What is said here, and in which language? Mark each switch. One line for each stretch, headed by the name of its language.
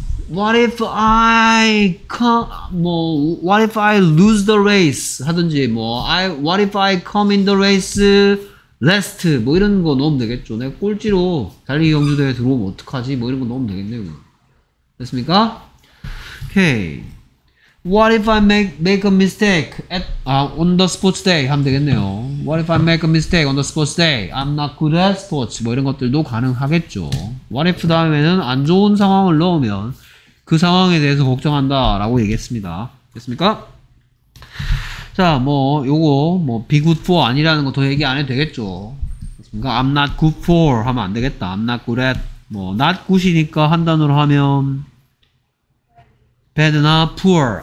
English: What if I come, 뭐, what if I lose the race?
Korean: 하든지,
English: 뭐, I, what if I come in the race last?
Korean: 뭐 이런 거 넣으면 되겠죠. 내가 꼴찌로 달리기 경주대에 들어오면 어떡하지? 뭐 이런 거 넣으면 되겠네요. 됐습니까? Okay.
English: What if I make a mistake at on the sports day?
Korean: 하면 되겠네요.
English: What if I make a mistake on the sports day? I'm not good at sports.
Korean: 뭐 이런 것들도 가능하겠죠. What if 다음에는 안 좋은 상황을 넣으면 그 상황에 대해서 걱정한다 라고 얘기했습니다. 됐습니까? 자, 뭐 요거 뭐 be good for 아니라는 거 더 얘기 안 해도 되겠죠. 됐습니까?
English: I'm not good for
Korean: 하면 안 되겠다.
English: I'm not good at 뭐 not good이니까
Korean: 한 단어로 하면
English: bad not poor.